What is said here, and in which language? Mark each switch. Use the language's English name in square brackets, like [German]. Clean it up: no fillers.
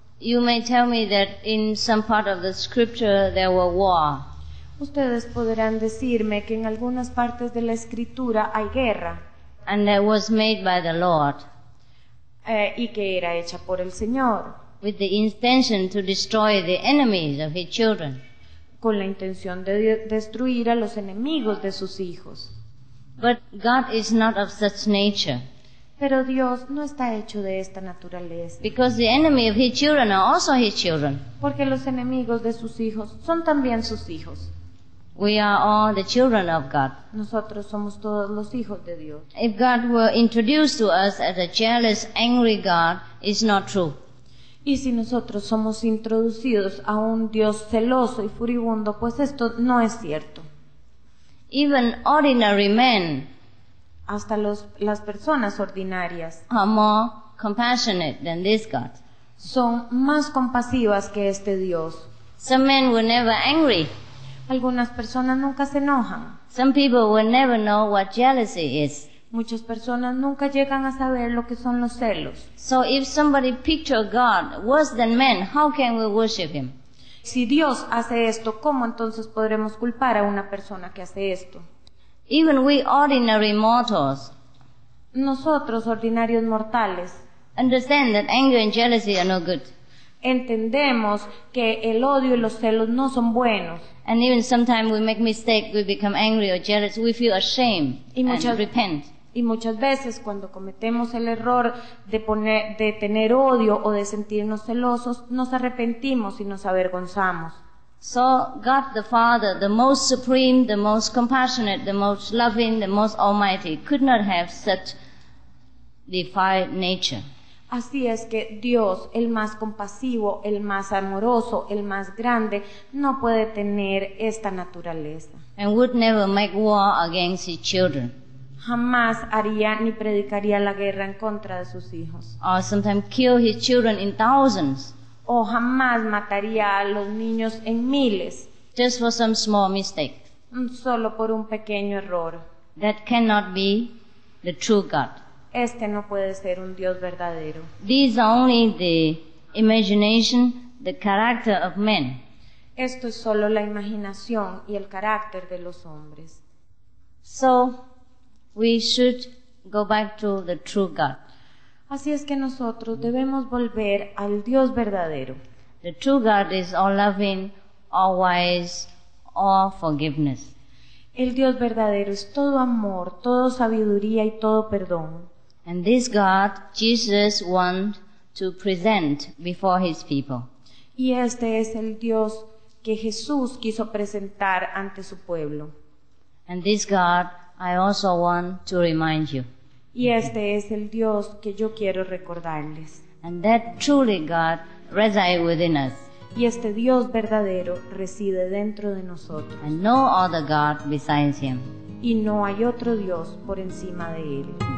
[English] You may tell me that in some part of the scripture there were war. [Spanish] Ustedes podrán decirme que en algunas partes de la escritura hay guerra. [English] And that was made by the Lord. [Spanish] Y que era hecha por el Señor. [English] With the intention to destroy the enemies of his children. [Spanish] Con la intención de destruir a los enemigos de sus hijos. [English] But God is not of such nature. [Spanish] Pero Dios no está hecho de esta naturaleza. [English] Because the enemy of his children are also his children. [Spanish] Porque los enemigos de sus hijos son también sus hijos. [English] We are all the children of God. [Spanish] Nosotros somos todos los hijos de Dios. [English] If God were introduced to us as a jealous, angry God, it's not true. [Spanish] Y si nosotros somos introducidos a un Dios celoso y furibundo, pues esto no es cierto. [English] Even ordinary men, [Spanish] hasta las personas ordinarias, [English] are more compassionate than this God. [Spanish] Son más compasivas que este Dios. [English] Some men were never angry. [Spanish] Algunas personas nunca se enojan. [English] Some people will never know what jealousy is. [Spanish] Muchas personas nunca llegan a saber lo que son los celos. [English] So if somebody picture God worse than men, how can we worship him? [Spanish] Si Dios hace esto, ¿cómo entonces podremos culpar a una persona que hace esto? [English] Even we ordinary mortals, [Spanish] nosotros ordinarios mortales, [English] understand that anger and jealousy are no good. [Spanish] Entendemos que el odio y los celos no son buenos. [English] And even sometimes we make mistakes, we become angry or jealous, we feel ashamed and repent. [Spanish] Y muchas veces cuando cometemos el error de tener odio o de sentirnos celosos, nos arrepentimos y nos avergonzamos. [English] So God the Father, the most supreme, the most compassionate, the most loving, the most almighty, could not have such defiled nature. [Spanish] Así es que Dios, el más compasivo, el más amoroso, el más grande, no puede tener esta naturaleza. [English] And would never make war against his children. [Spanish] Jamás haría ni predicaría la guerra en contra de sus hijos. [English] Or sometimes kill his children in thousands. [Spanish] O jamás mataría a los niños en miles. [English] Just for some small mistake. [Spanish] Solo por un pequeño error. [English] That cannot be the true God. [Spanish] Este no puede ser un Dios verdadero. [English] These are only the imagination, the character of men. [Spanish] Esto es solo la imaginación y el carácter de los hombres. [English] So, we should go back to the true God. [Spanish] Así es que nosotros debemos volver al Dios verdadero. [English] The true God is all loving, all wise, all forgiveness. [Spanish] El Dios verdadero es todo amor, todo sabiduría y todo perdón. [English] And this God, Jesus wants to present before his people. [Spanish] Y este es el Dios que Jesús quiso presentar ante su pueblo. [English] And this God, I also want to remind you. [Spanish] Y este es el Dios que yo quiero recordarles. [English] And that truly God resides within us. [Spanish] Y este Dios verdadero reside dentro de nosotros. [English] And no other God besides him. [Spanish] Y no hay otro Dios por encima de él.